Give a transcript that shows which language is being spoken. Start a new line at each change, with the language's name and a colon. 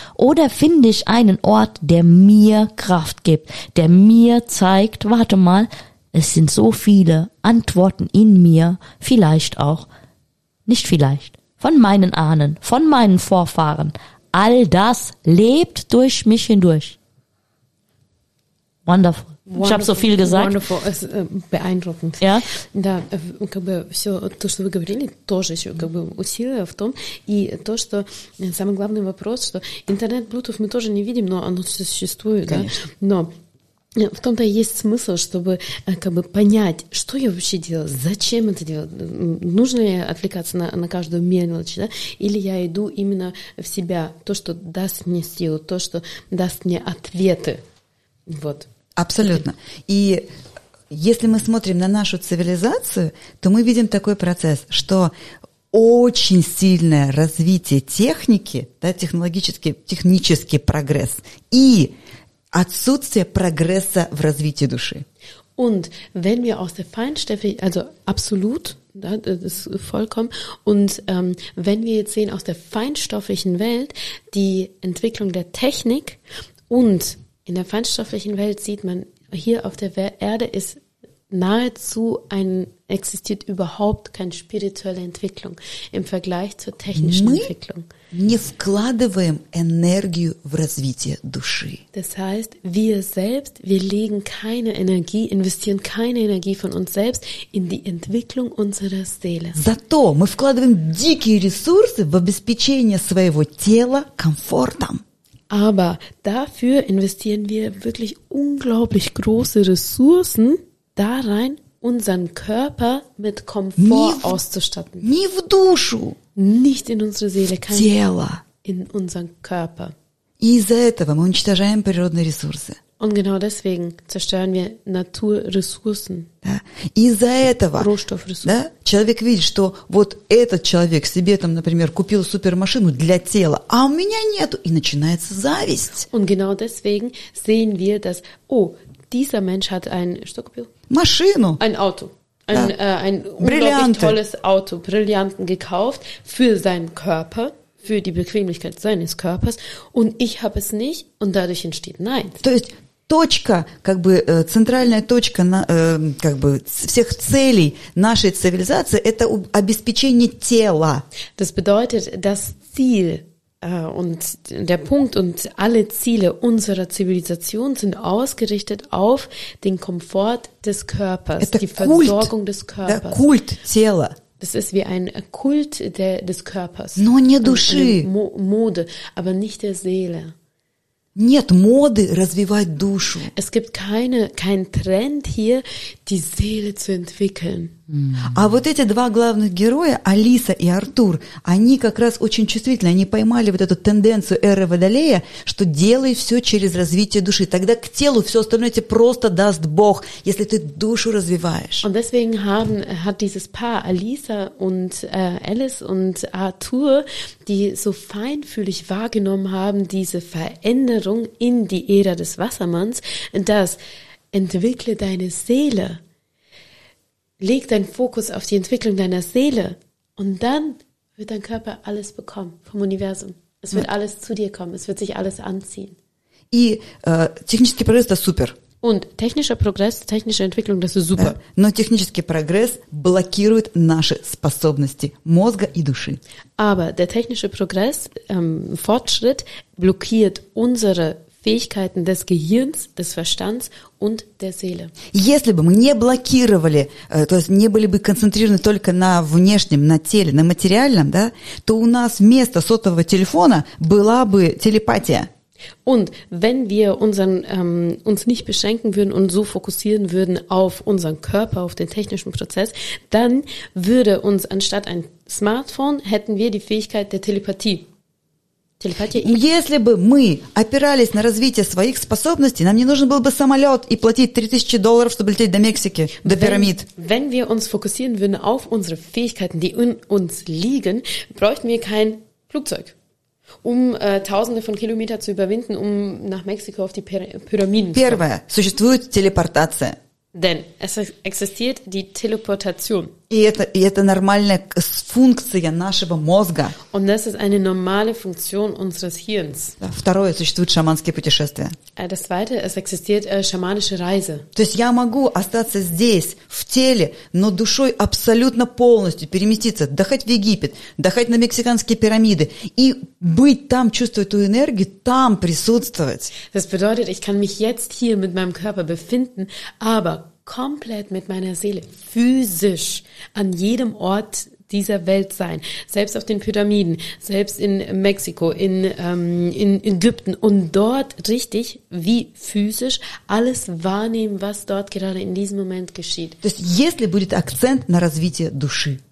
German: Oder finde ich einen Ort, der mir Kraft gibt, der mir zeigt, warte mal, es sind so viele Antworten in mir, vielleicht auch, nicht vielleicht, von meinen Ahnen, von meinen Vorfahren. All das lebt durch mich hindurch.
English: Wonderful. Wonderful,
German: ich habe so viel gesagt.
English: Wonderful,
German: es beeindruckend. Ja.
Russian: Да, как бы все то, что вы говорили, тоже еще как бы усилие в том и то, что самый главный вопрос, что интернет, Bluetooth мы тоже не видим, но оно существует, конечно. Да. Но В том-то и есть смысл, чтобы как бы понять, что я вообще делаю, зачем это делать, нужно ли отвлекаться на каждую мелочь, да, или я иду именно в себя, то, что даст мне силу, то, что даст мне ответы, вот. Абсолютно. И если мы смотрим на нашу цивилизацию, то мы видим такой процесс, что очень сильное развитие техники, да, технический прогресс и отсутствие прогресса в развитии души.
German: Und wenn wir aus der Feinstofflichkeit, also absolut,
Russian: да,
German: das ist vollkommen, und wenn wir jetzt sehen aus der feinstofflichen Welt die Entwicklung der Technik und in der feinstofflichen Welt sieht man hier auf der Erde ist nahezu existiert überhaupt keine spirituelle Entwicklung im Vergleich zur technischen Entwicklung.
Russian: Не вкладываем энергию в развитие души.
German: Das heißt, wir legen keine Energie, investieren keine Energie von uns selbst in die Entwicklung unserer Seele.
Russian: Зато мы вкладываем дикие ресурсы в обеспечение своего тела комфортом.
German: Aber dafür investieren wir wirklich unglaublich große Ressourcen da rein, unseren Körper mit Komfort auszustatten.
Russian: Nie в душу.
German: Nicht in unsere Seele, kein
Russian: тело.
German: In unseren Körper.
Russian: И из-за этого мы уничтожаем природные ресурсы.
German: Und genau deswegen zerstören wir Naturressourcen.
Russian: Да. Из-за этого,
German: Rohstoffressourcen.
Russian: Да, человек видит, что вот этот человек себе там, например, купил супермашину для тела, а у меня нету, и начинается зависть.
German: Und genau deswegen sehen wir, dass, dieser Mensch hat ein,
Russian: что купил? Машину.
German: Ein Auto. Ein,
Russian: да.
German: Ein unglaublich tolles Auto, Brillanten gekauft für seinen Körper, für die Bequemlichkeit seines Körpers und ich habe es nicht und dadurch entsteht Neid.
Russian: То есть точка, как бы центральная точка на, как бы всех целей нашей цивилизации это обеспечение тела.
German: Das bedeutet, das Ziel und der Punkt und alle Ziele unserer Zivilisation sind ausgerichtet auf den Komfort des Körpers,
Russian: это
German: die Versorgung des Körpers.
Russian: Да, культ тела.
German: Das ist wie ein Kult des Körpers.
Russian: Но не души.
German: Mode, aber nicht der Seele.
Russian: Нет моды развивать душу.
German: Es gibt kein Trend hier, die Seele zu entwickeln.
Russian: А вот эти два главных героя, Алиса и Артур, они как раз очень чувствительны. Они поймали вот эту тенденцию эры Водолея, что делай все через развитие души. Тогда к телу все остальное тебе просто даст Бог, если ты душу развиваешь.
German: Und deswegen hat dieses Paar, Alisa und Alice und Arthur, die so feinfühlig wahrgenommen haben, diese Veränderung in die Ära des Wassermanns, das entwickle deine Seele. Leg deinen Fokus auf die Entwicklung deiner Seele und dann wird dein Körper alles bekommen vom Universum. Es wird alles zu dir kommen, es wird sich alles anziehen.
Russian: И технический прогресс – это супер.
German: Und technischer Progress, technische Entwicklung, das ist super.
Russian: Но технический прогресс блокирует наши способности мозга и души.
German: Aber der technische Progress, Fortschritt, blockiert unsere Fähigkeiten des Gehirns, des Verstands und der Seele.
Russian: Если бы мы не блокировали, то есть не были бы концентрированы только на внешнем, на теле, на материальном, да, то у нас вместо сотового телефона была бы телепатия.
German: Und wenn wir uns nicht beschränken würden und so fokussieren würden auf unseren Körper, auf den technischen Prozess, dann würde uns anstatt ein Smartphone hätten wir die Fähigkeit der Telepathie.
Russian: Если бы мы опирались на развитие своих способностей, нам не нужен был бы самолет и платить $3000, чтобы лететь до Мексики, до пирамид.
German: Wenn wir uns fokussieren würden auf unsere Fähigkeiten, die in uns liegen, bräuchten wir kein Flugzeug, tausende von Kilometer zu überwinden, nach Mexiko auf die Pyramiden zu kommen.
Russian: Первое. Существует телепортация.
German: Denn es existiert die Teleportation.
Russian: И это нормальная функция нашего мозга.
German: Und das ist eine normale Funktion unseres Hirns.
Russian: Да, второе, существуют шаманские путешествия.
German: Das zweite, es existiert schamanische Reise.
Russian: То есть я могу остаться здесь, в теле, но душой абсолютно полностью переместиться, доехать в Египет, доехать на мексиканские пирамиды и быть там, чувствовать эту энергию, там присутствовать.
German: Das bedeutet, ich kann mich jetzt hier mit meinem Körper befinden, aber komplett mit meiner Seele, physisch, an jedem Ort dieser Welt sein, selbst auf den Pyramiden, selbst in Mexiko, in Ägypten und dort richtig, wie physisch, alles wahrnehmen, was dort gerade in diesem Moment geschieht.
Russian: То есть, если будет акцент на развитие души.